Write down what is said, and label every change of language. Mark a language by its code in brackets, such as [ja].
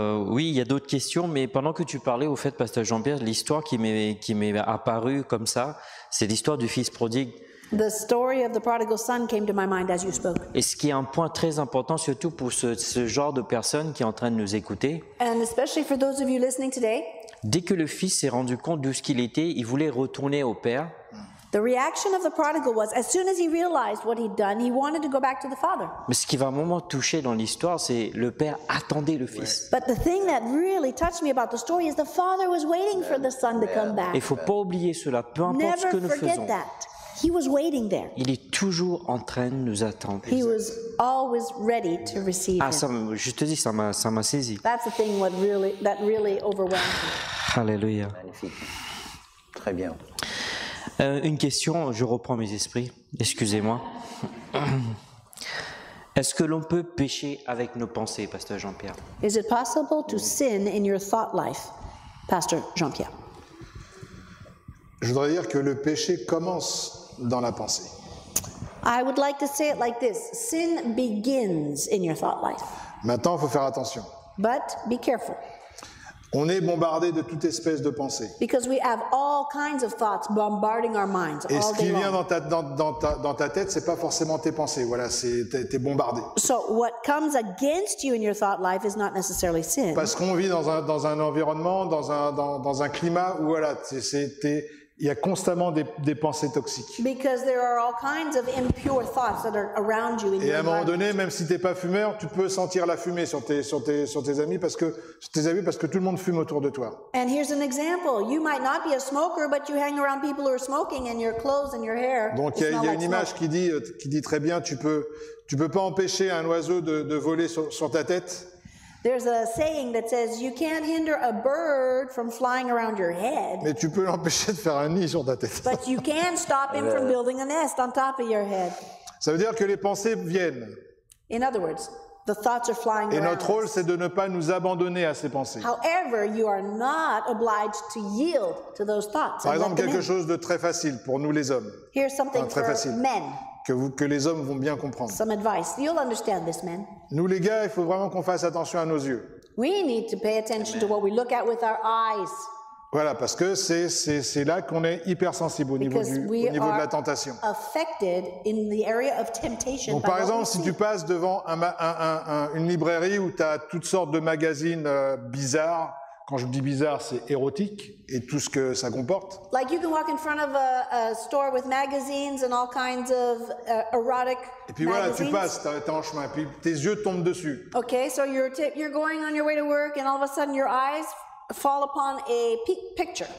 [fr] Oui, il y a d'autres questions, mais pendant que tu parlais, au fait, pasteur Jean-Pierre, l'histoire qui m'est apparue comme ça, c'est l'histoire du fils prodigue. [en] The story of the prodigal son came to my mind as you spoke. [fr] Et ce qui est un point très important, surtout pour ce genre de personnes qui est en train de nous écouter. [en] And especially for those of you listening today. [fr] Dès que le fils s'est rendu compte de ce qu'il était, il voulait retourner au père. [en] The reaction of the prodigal was, as soon as he realized what he'd done, he wanted to go back to the father. [fr] Mais ce qui va un moment toucher dans l'histoire, c'est le père attendait le fils. Ouais. [en] But the thing that really touched me about the story is the father was waiting for the son to come back. [fr] Il faut pas oublier cela, peu importe [en] Never [fr] ce que nous faisons. [en] That. He was waiting there. [fr] Il est toujours en train de nous attendre. [en] He was always ready to receive ah, him. [fr] Ah, je te dis, ça m'a saisi. [en] That's the thing that really overwhelmed me. [fr] Alléluia. Très bien. Une question, je reprends mes esprits, excusez-moi. Est-ce que l'on peut pécher avec nos pensées, pasteur Jean-Pierre? [en] Is it possible to sin in your thought life, pasteur Jean-Pierre? [fr] Je voudrais dire que le péché commence dans la pensée. [en] I would like to say it like this, sin begins in your thought life. [fr] Maintenant, il faut faire attention. [en] But be careful. [fr] On est bombardé de toute espèce de pensée. [en] Because we have all kinds of thoughts bombarding our minds all day long. [fr] Et ce qui vient dans ta tête, c'est pas forcément tes pensées. Voilà, t'es bombardé. [en] So what comes against you in your thought life is not necessarily sin. [fr] Parce qu'on vit dans un environnement, dans un climat où voilà, il y a constamment des pensées toxiques. [en] Because there are all kinds of impure thoughts that are around you in your [fr] life. Et à un moment donné, même si t'es pas fumeur, tu peux sentir la fumée sur tes amis parce que tout le monde fume autour de toi. [en] And here's an example. You might not be a smoker, but you hang around people who are smoking, and your clothes and your hair. [fr] Donc il y a une image qui dit très bien, tu peux pas empêcher un oiseau de voler sur ta tête. [en] There's a saying that says you can't hinder a bird from flying around your head. [fr] Mais tu peux l'empêcher de faire un nid sur ta tête. [en] But you can stop him from building a nest on top of your head. [fr] Ça veut dire que les pensées viennent. [en] In other words, the thoughts are flying around. [fr] Et notre rôle, c'est de ne pas nous abandonner à ces pensées. [en] However, you are not obliged to yield to those thoughts. [fr] Par exemple, quelque chose de très facile pour nous les hommes. [en] Here's something [fr] très facile. [en] For men. [fr] Que les hommes vont bien comprendre. [en] Some advice. You'll understand this, man. [fr] Nous les gars, il faut vraiment qu'on fasse attention à nos yeux. [en] We need to pay attention to what we look at with our eyes. [fr] Voilà, parce que c'est là qu'on est hypersensible au niveau de la tentation. [en] Affected in the area of temptation. [fr] Donc, par exemple, si tu passes devant une librairie où tu as toutes sortes de magazines bizarres. Quand je dis bizarre, c'est érotique et tout ce que ça comporte. [en] Like you can walk in front of a store with magazines and all kinds of erotic magazines. [fr] Et puis voilà, tu passes, t'es en chemin, puis tes yeux tombent dessus. [en] Okay, so you're going on your way to work and all of a sudden your eyes fall upon a picture.